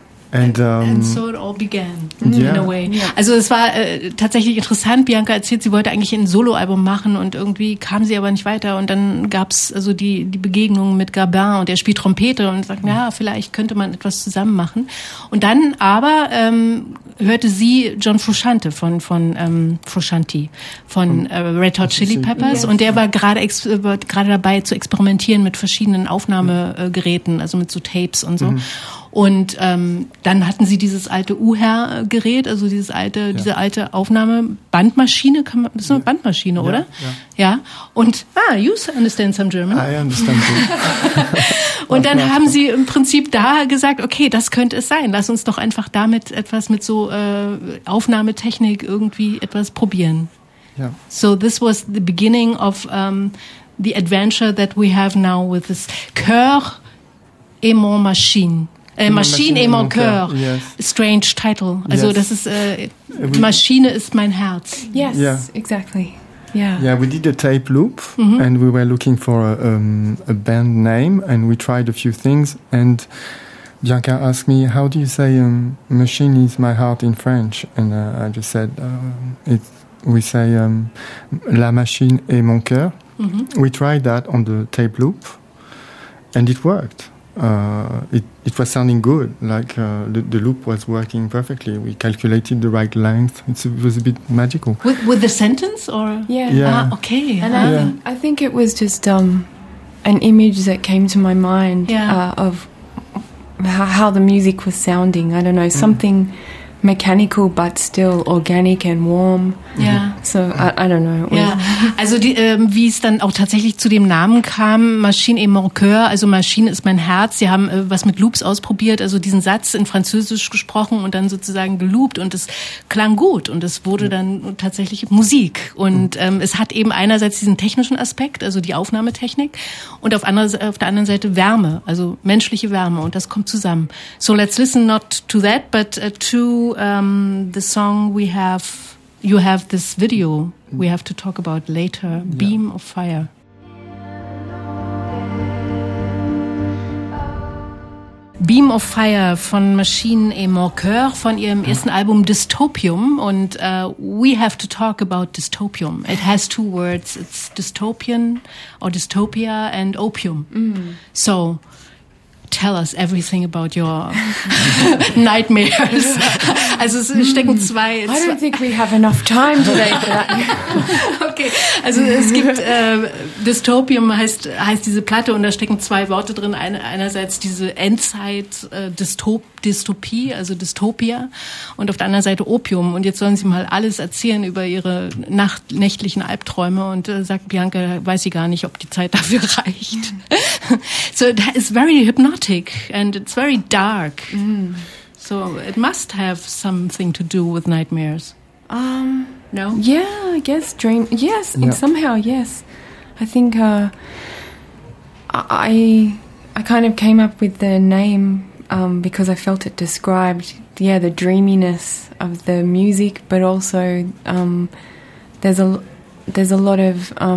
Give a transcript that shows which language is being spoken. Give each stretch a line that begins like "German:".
English: And so it all began in a way. Yeah.
German: Also es war tatsächlich interessant. Bianca erzählt, sie wollte eigentlich ein Soloalbum machen und irgendwie kam sie aber nicht weiter. Und dann gab es also die Begegnung mit Gabin und er spielt Trompete und sagt, vielleicht könnte man etwas zusammen machen. Und dann aber hörte sie John Frusciante von Red Hot Chili Peppers. Yes. Und der war gerade dabei zu experimentieren mit verschiedenen Aufnahmegeräten, also mit so Tapes und so. Mhm. Und dann hatten sie dieses alte UHR-Gerät, also diese alte Aufnahme-Bandmaschine, Bandmaschine, oder? Ja.
English: Und you understand some German. I understand too.
German: Und dann haben sie im Prinzip da gesagt, okay, das könnte es sein. Lass uns doch einfach damit etwas mit so Aufnahmetechnik irgendwie etwas probieren. Ja.
English: So this was the beginning of the adventure that we have now with this Coeur et mon Machine.
French: Machine et mon cœur.
English: Yes. Strange title.
German: Also das ist Maschine ist mein Herz.
English: Yes, yeah. Exactly. Yeah. Yeah, we did a tape loop and we were looking for a band name and we tried a few things and Bianca asked me, how do you say machine is my heart in French? And I just said, we say
French: la machine et mon cœur.
English: Mm-hmm. We tried that on the tape loop and it worked. it was sounding good. Like the loop was working perfectly. We calculated the right length. It was a bit magical. With the sentence or yeah. Okay. And I think it was just an image that came to my mind of how the music was sounding. I don't know, something mechanical but still organic and warm. Yeah. So I don't know.
German: Ja. Also wie es dann auch tatsächlich zu dem Namen kam, Machine et mon cœur, also Maschine ist mein Herz. Sie haben was mit Loops ausprobiert, also diesen Satz in Französisch gesprochen und dann sozusagen geloopt und es klang gut und es wurde dann tatsächlich Musik. Und es hat eben einerseits diesen technischen Aspekt, also die Aufnahmetechnik, und auf der anderen Seite Wärme, also menschliche Wärme, und das kommt zusammen.
English: So let's listen not to that, but to the song we have, you have this video we have to talk about later, Beam of Fire.
German: Beam of Fire von Machine et Mon Coeur, von ihrem ersten Album Dystopium.
English: Und we have to talk about Dystopium. It has two words. It's dystopian or dystopia and opium. Mm. So tell us everything about your nightmares.
German: Also es stecken zwei...
English: I don't think we have enough time today for that.
German: Okay, also es gibt... Dystopium heißt diese Platte, und da stecken zwei Worte drin. Einerseits diese Endzeit-Dystopie, also Dystopia, und auf der anderen Seite Opium. Und jetzt sollen Sie mal alles erzählen über Ihre nächtlichen Albträume. Und sagt Bianca, weiß sie gar nicht, ob die Zeit dafür reicht.
English: So that is very hypnotic and it's very dark. Mm. So it must have something to do with nightmares. No? Yeah, I guess dream. Yes, yeah. Somehow, yes. I think I kind of came up with the name because I felt it described, the dreaminess of the music, but also there's a lot of...